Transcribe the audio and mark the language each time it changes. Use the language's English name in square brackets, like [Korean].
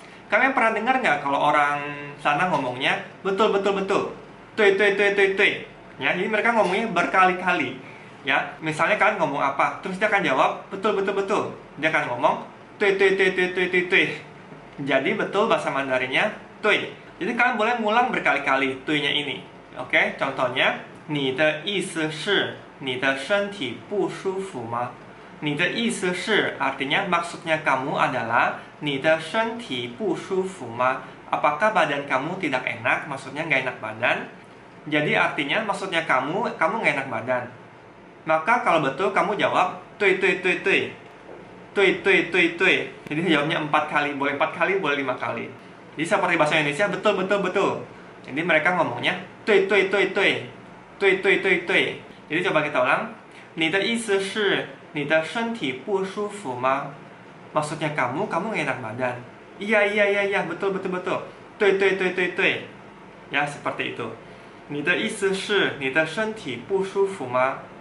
[Indonesian] Kalian pernah dengar nggak kalau orang sana ngomongnya betul, betul, betul. Tui, tui, tui, tui, tui. Ya, jadi mereka ngomongnya berkali-kali. Ya, misalnya kalian ngomong apa, terus dia akan jawab betul, betul, betul. Dia akan ngomong tui, tui, tui, tui, tui, tui, tui. Jadi betul bahasa Mandarinnya tui. Jadi kalian boleh ngulang berkali-kali tui-nya ini. [Chinese] Oke, contohnya 你的意思是你的身体不舒服吗? 你的意思是, [Indonesian] artinya maksudnya kamu adalah [Chinese] 你的身体不舒服吗? [Indonesian] Apakah badan kamu tidak enak? Maksudnya nggak enak badan. Jadi artinya maksudnya kamu, kamu nggak enak badan. Maka kalau betul kamu jawab [Chinese] 对对对对 对对对对. [Indonesian] Jadi jawabnya 4 kali, boleh 4 kali, boleh 5 kali. Jadi seperti bahasa Indonesia, betul, betul, betul. Jadi mereka ngomongnya [Chinese] 对对对对 [Indonesian] tui tui tui tui. Jadi coba kita ulang. [Chinese] 你的意思是你的身体不舒服吗? [Indonesian] Maksudnya kamu, kamu gak enak badan. Iya iya iya iya, betul betul betul. Tui tui tui tui tui. Ya, seperti itu. [Chinese] 你的意思是你的身体不舒服吗?